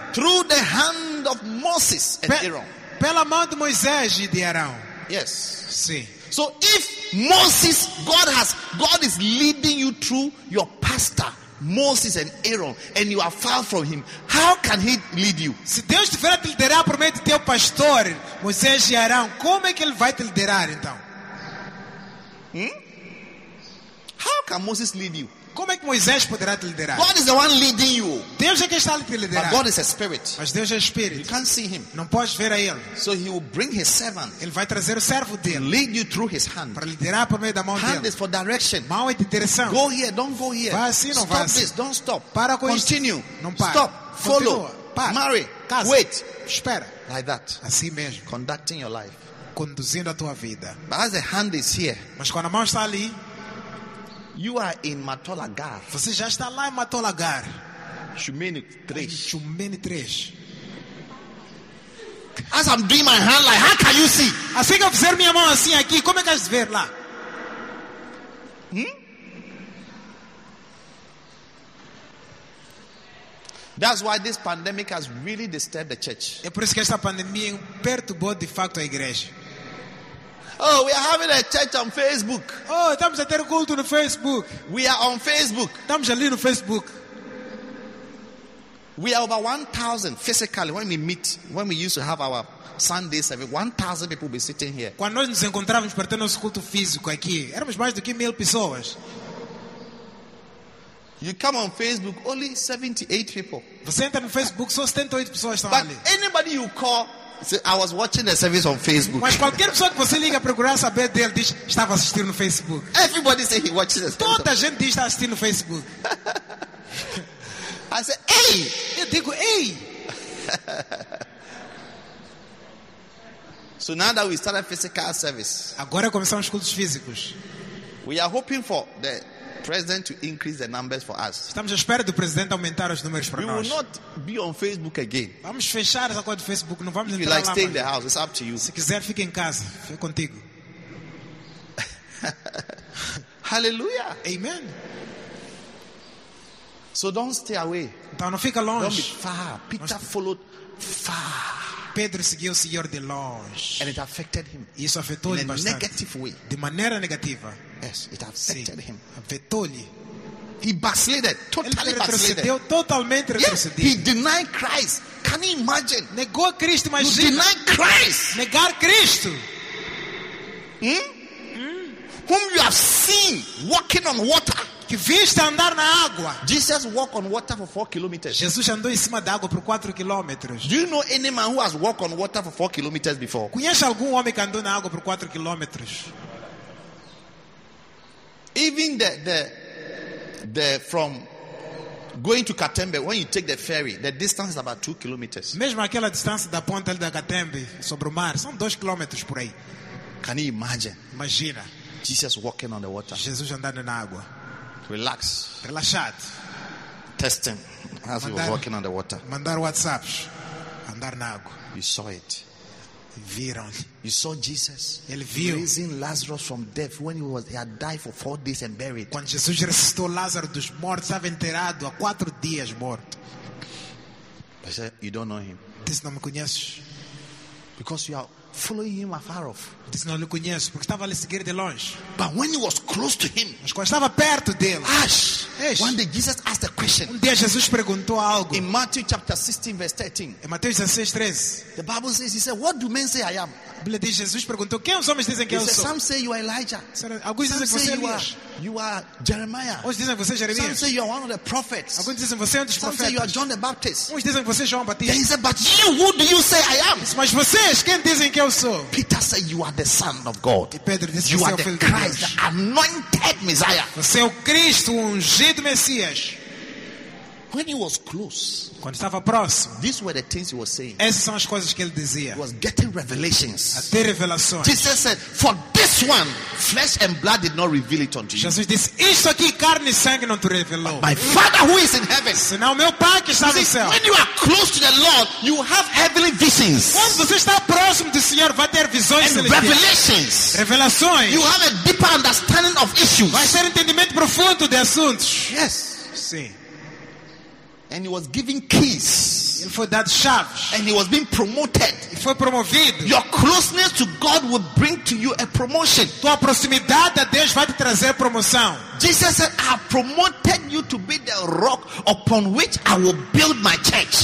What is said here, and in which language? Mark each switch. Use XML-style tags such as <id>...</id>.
<en>Through the hand of Moses and Aaron.</en> <pt>Pela mão de Moisés e de Arão.</pt> <en>Yes.</en> <pt>Sim.</pt> <en>So if Moses, God is leading you through your pastor Moses and Aaron, and you are far from him, how can he lead you?</en> <pt>Se Deus tiver a te liderar por meio do teu pastor Moisés e Arão, como é que ele vai te liderar então?</pt> <en>How can Moses lead you?</en> <pt>Como é que Moisés poderá te liderar?</pt> <en>God is the one leading you.</en> <pt>Deus é quem está a te liderar.</pt> <en>But God is a spirit.</en> <pt>Mas Deus é espírito.</pt> <en>You can't see him.</en> <pt>Não podes ver a ele.</pt> <en>So he will bring his servant.</en> <pt>Ele vai trazer o servo dele.</pt> <en>Lead you through his hand.</en> <pt>Para liderar por meio da mão</pt> <en>hand Hand is for direction.</en> <pt>Mão é de direção.</pt> <en>Go here, don't go here.</en> <pt>Vá assim, não</pt> <en>stop</en> <pt>vá assim.</pt> <en>This, don't stop.</en> <pt>Para com</pt> <en>continue.</en> <pt>Não para.</pt> <en>Stop. Follow.</en> <pt>Para.</pt> <en>Marry.</en> <pt>Casa.</pt> <en>Wait.</en> <pt>Espera.</pt> <en>Like that.</en> <pt>Assim mesmo.</pt> <en>Conducting your life.</en> <pt>Conduzindo a tua vida.</pt> <en>But as the hand is here.</en> <pt>Mas quando a mão está ali.</pt> <en>You are in Matolagar.</en> <pt>Você já está lá em Matolagar. Chumene 3.</pt> <en>As I'm doing my hand like, how can you see?</en> <pt>Assim que eu fizer minha mão assim aqui, como é que vais ver lá?</pt> <en>That's why this pandemic has really disturbed the church.</en> <pt>É por isso que esta pandemia perturbou de facto a igreja.</pt> <en>Oh, we are having a church on Facebook.</en> <pt>Oh, estamos a ter culto no Facebook.</pt> <en>We are on Facebook.</en> <pt>Estamos ali no Facebook.</pt> <en>We are over 1,000 physically when we meet, when we used to have our Sunday service. 1,000 people be sitting here.</en> <pt>Quando nós nos encontrávamos para ter nosso culto físico aqui, éramos mais do que 1,000 pessoas.</pt> <en>You come on Facebook, only 78 people.</en> <pt>Você entra no Facebook, só 78 pessoas estão</pt> <en>but</en> <pt>ali.</pt> <en>But anybody you call. I was watching the service on Facebook.</en> <pt>Mas qualquer pessoa que você liga procurar saber dele diz estava assistindo no Facebook.</pt> <en>Everybody say he watches the service.</en> <pt>Toda a gente diz está assistindo no Facebook.</pt> <en>I say, hey.</en> <pt>Eu digo, hey.</pt> <en>So now that we started physical service.</en> <pt>Agora começamos cultos físicos.</pt> <en>We are hoping for the president to increase the numbers for us.</en> <pt>Estamos à espera do presidente aumentar os números para nós.</pt> <en>will not be on Facebook again.</en> <pt>Vamos fechar essa coisa do Facebook, não vamos</pt> <en>if</en> <pt>entrar</pt> <en>you like</en> <pt>lá.</pt> <en>Stay</en> <pt>mas...</pt> <en>in the house. It's up to you.</en> <pt>Se quiser fique em casa, fico contigo. Hallelujah. Amen.</pt> <en>So don't stay away.</en> <pt>Então não fica longe.</pt> <en>Don't be far. Peter</en> <pt>não...</pt> <en>followed far.</en> <pt>Pedro seguiu o Senhor de longe.</pt> <en>And it affected him.</en> <pt>Isso afetou-lhe</pt> <en>in a</en> <pt>bastante.</pt> <en>Negative way.</en> <pt>De maneira negativa.</pt> <en>Yes, it affected him.</en> <pt>Afetou-lhe.</pt> <en>He backslided, totally</en> <pt>retrocedeu, totalmente retrocedeu.</pt> <en>Yes, he denied Christ. Can you imagine?</en> <pt>Negou a Cristo, imagina.</pt> <en>You denied Christ.</en> <pt>Negar Cristo.</pt> <en>Whom you have seen walking on water.</en> <pt>Que viste andar na água.</pt> <en>Jesus walked on water for 4 kilometers.</en> <pt>Jesus andou em cima da água por 4 quilômetros.</pt> <en>Do you know any man who has walked on water for 4 kilometers before? Conhece algum homem que andou na água por 4 quilômetros? Even the from Going to Katembe, when you take the ferry, the distance is about 2 kilometers.</en> <pt>Mesmo aquela distância da ponte da Katembe sobre o mar, são 2 quilômetros por aí.</pt> <en>Can you imagine?</en> <pt>Imagina.</pt> <en>Jesus walking on the water.</en> <pt>Jesus andando na água.</pt> <en>Relax.</en> <pt>Relaxar.</pt> <en>Testing as he was walking on the water.</en> <pt>Mandar WhatsApps. Andar na água.</pt> <en>You saw it.</en> <pt>Viram.</pt> <en>You saw Jesus.</en> <pt>Ele viu.</pt> <en>Raising Lazarus from death when he had died for 4 days and buried.</en> <pt>Quando Jesus ressuscitou Lázaro dos mortos, estava enterrado há 4 dias morto.</pt> <en>I said, you don't know him.</en> <pt>Diz, não me conheces.</pt> <en>Because you are following him afar off.</en> <pt>Diz, não lhe conheço, porque estava ali seguir de longe.</pt> <en>But when he was close to him,</en> <pt>mas quando estava perto dele,</pt> <en>one day Jesus asked a question.</en> <pt>Um dia Jesus perguntou algo.</pt> <en>In Matthew chapter 16 verse 13.</en> <pt>Em Mateus 16:13.</pt> <en>The Bible says, he said, what do men say I am?</en> <pt>Bíblia diz, Jesus perguntou, quem os homens dizem que eu sou?</pt> <en>Some say you are Elijah.</en> <pt>Alguns dizem que você é Elias.</pt> <en>You are Jeremiah.</en> <pt>Alguns dizem que você é Jeremias.</pt> <en>Some say you are one of the prophets.</en> <pt>Alguns dizem que você é um dos profetas.</pt> <en>Some say you are John the Baptist.</en> <pt>Alguns dizem que você é João Batista.</pt> <en>Then he said, but you, who do you say I am?</en> <pt>Mas vocês, quem dizem que eu sou?</pt> <en>Peter said, you are the Son of God.</en> <pt>E Pedro disse,</pt> <en>you are the Christ, the anointed Messiah.</en> <pt>Você é o Cristo ungido Messias.</pt> <en>When he was close,</en> <pt>quando estava próximo,</pt> <en>these were the things he was saying.</en> <pt>Essas são as coisas que ele dizia.</pt> <en>He was getting revelations.</en> <pt>A ter revelações.</pt> <en>Jesus said, "For this one, flesh and blood did not reveal it unto you."</en> <pt>Jesus disse, isto aqui, carne e sangue não te revelou.</pt> <en>But my Father who is in heaven.</en> <pt>Senão meu Pai que está no céu.</pt> <en>When you are close to the Lord, you have heavenly visions.</en> <pt>Quando você está próximo do Senhor, vai ter visões</pt> <en>and revelations.</en> <pt>Revelações.</pt> <en>You have a deeper understanding of issues.</en> <pt>Vai ter entendimento profundo de assuntos.</pt> <en>Yes.</en> <pt>Sim.</pt> <en>And he was given keys.</en> <pt>Ele foi dado chaves.</pt> <en>And he was being promoted.</en> <pt>Ele foi promovido.</pt> <en>Your closeness to God will bring to you a promotion.</en> <pt>Tua proximidade a Deus vai te trazer promoção.</pt> <en>Jesus said, I have promoted you to be the rock upon which I will build my church.</en>